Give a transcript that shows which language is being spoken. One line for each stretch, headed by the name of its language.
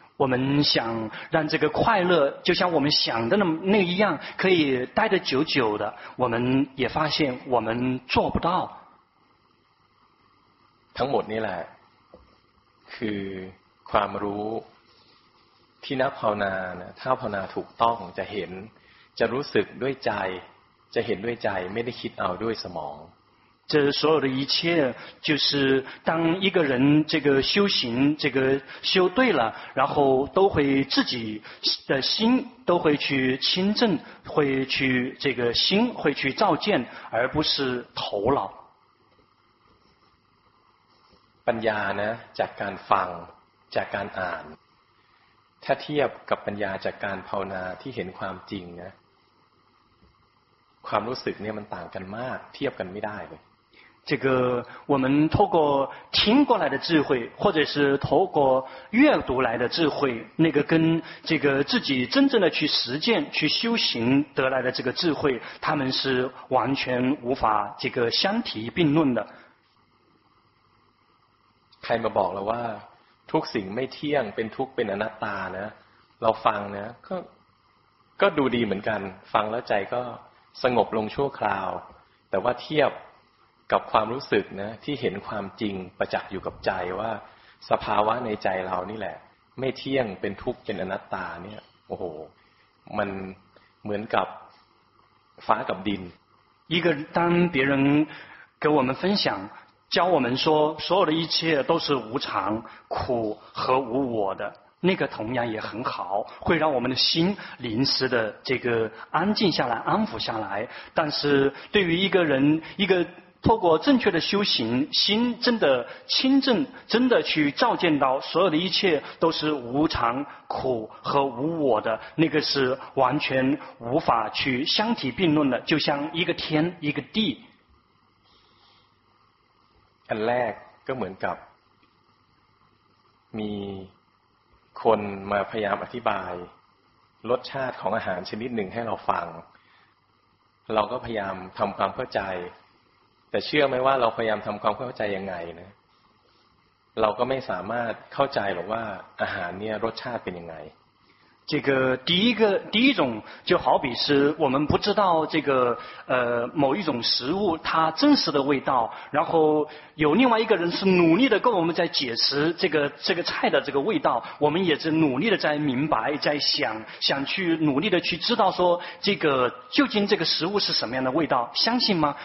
Chinese: 我们想让这个快乐就像我们想的那一样可以待得久久的我们也发现我们做不到
Thai: ทั้งหมดนี่แหละคือความรู้ที่นักภาวนาถ้าภาวนาถูกต้องจะเห็นจะรู้สึกด้วยใจจะเห็นด้วยใจไม่ได้คิดเอาด้วยสมอง
Chinese: 这所有的一切就是当一个人这个修行这个修对了然后都会自己的心都会去亲证会去这个心会去照见而不是头脑
Thai: ปัญญาเนี่ยจากการฟังจากการอ่านถ้าเทียบกับปัญญาจากการภาวนาที่เห็นความจริงนะความรู้สึกเนี่ยมันต่างกันมากเทียบกันไม่ได้เลย
Chinese: 这个我们透过听过来的智慧或者是透过阅读来的智慧那个跟这个自己真正的去实践去修行得来的这个智慧他们是完全无法这个相提并论的
Thai: ใครมาบอกแล้วว่าทุกสิ่งไม่เที่ยงเป็นทุกข์เป็นอนัตตานะเราฟังนะก็ดูดีเหมือนกันฟังแล้วใจก็สงบลงชั่วคราวแต่ว่าเทียบกับความรู้สึกนะที่เห็นความจริงประจักษ์อยู่กับใจว่าสภาวะในใจเรานี่แหละไม่เที่ยงเป็นทุกข์เป็นอนัตตาเนี่ยโอ้โหมันเหมือนกับฟ้ากับดิน
Chinese: 一个当别人给我们分享教我们说所有的一切都是无常苦和无我的那个同样也很好会让我们的心临时的这个安静下来安抚下来但是对于一个人一个透过正确的修行心真的清正真的去照见到所有的一切都是无常苦和无我的那个是完全无法去相提并论的就像一个天一个地
Thai: อันแรกก็เหมือนกับมีคนมาพยายามอธิบาย รสชาติของอาหารชนิดหนึ่งให้เราฟังเราก็พยายามทำความเข้าใจแต่เชื่อไหมว่าเราพยายามทำความเข้าใจยังไงนะเราก็ไม่สามารถเข้าใจหรอกว่าอาหารเนี่ยรสชาติเป็นยังไง
Chinese: 这个第一个第一种就好比是我们不知道这个某一种食物它真实的味道，然后有另外一个人是努力的跟我们在解释这个菜的这个味道，我们也是努力的在明白，在想去努力的去知道说这个究竟这个食物是什么样的味道，相信吗？